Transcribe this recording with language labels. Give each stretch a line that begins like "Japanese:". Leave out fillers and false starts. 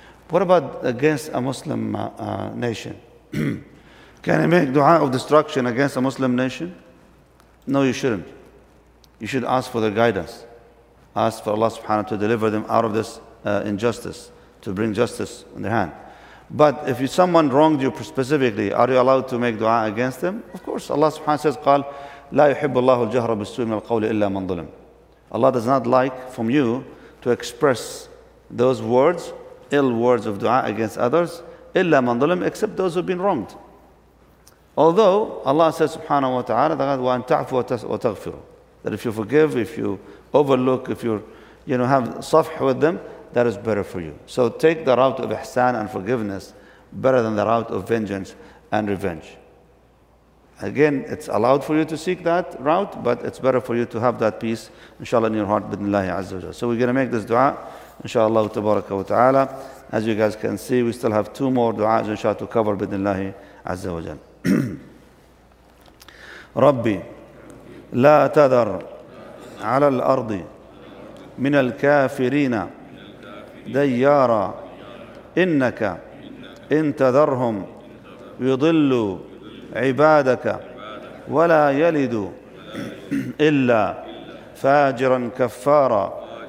English: What about against a Muslim nation? Can I make dua of destruction against a Muslim nation? No, you shouldn't. You should ask for their guidance. Ask for Allah subhanahu wa ta'ala to deliver them out of this injustice, to bring justice in their hand. But if someone wronged you specifically, are you allowed to make dua against them? Of course, Allah subhanahu wa ta'ala says,
Arabic: قال, لا يحب الله الجهر بالسوء من القول إلا من ظلم.
English: Allah does not like from you to express those words, ill words of dua against others,
Arabic: إلا من ظلم,
English: except those who've been wronged. Although Allah says subhanahu wa ta'ala,
Arabic: وأن تعفو وتغفر,
English: that if you forgive, if you overlook, if you have safh with them, that is better for you. So take the route of ihsan and forgiveness better than the route of vengeance and revenge. Again, it's allowed for you to seek that route, but it's better for you to have that peace, inshallah, in your heart, bidnillahi azza wa jalla. So we're going to make this dua, inshallah, tabaraka wa ta'ala. As you guys can see, we still have two more du'as, inshallah, to cover, bidnillahi azza wa jalla.
Arabic: Rabbi, la tadar ala al-ardi min al-kafirina ديارا إنك إن تذرهم يضلوا عبادك ولا يلدوا إلا فاجرا كفارا